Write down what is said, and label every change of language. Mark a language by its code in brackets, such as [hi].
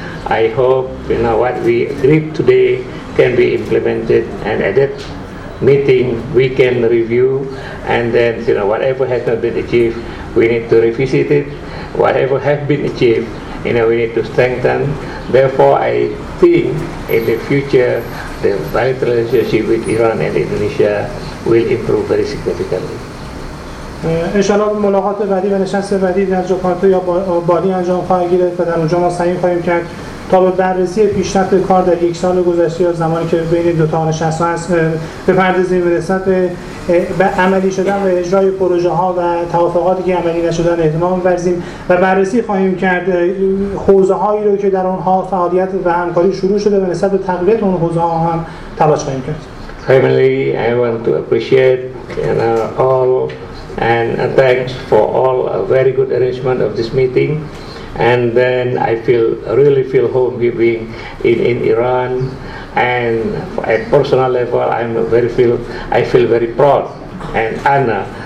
[en] I hope, you know, what we agreed today can be implemented and at that meeting we can review and then, you know, whatever has not been achieved, we need to revisit it. Whatever has been achieved, you know, we need to strengthen. Therefore, I think in the future, the bilateral relationship with Iran and Indonesia will improve very significantly. [fa] انشاءالله ملاقات بعدی و نشست بعدی در جاکارتا یا بالی انجام خواهد گرفت و در اونجا ما سعی خواهیم کرد تا به بررسی پیشرفت کار در یک سال گذشته یا زمانی که بین دو تا نشست هست بپردازیم و نسبت به عملی شدن و اجرای پروژه ها و توافقاتی که عملی نشدن اهتمام ببرزیم و بررسی خواهیم کرد حوزه هایی رو که در اونها فعالیت و همکاری شروع شده و نسبت به تقویت اون حوزه ها هم تلاش خواهیم کرد. [en] Finally, I want to appreciate all and thanks for all a very good arrangement of this meeting. And then I really feel home being in Iran. And at personal level, I feel very proud and honor.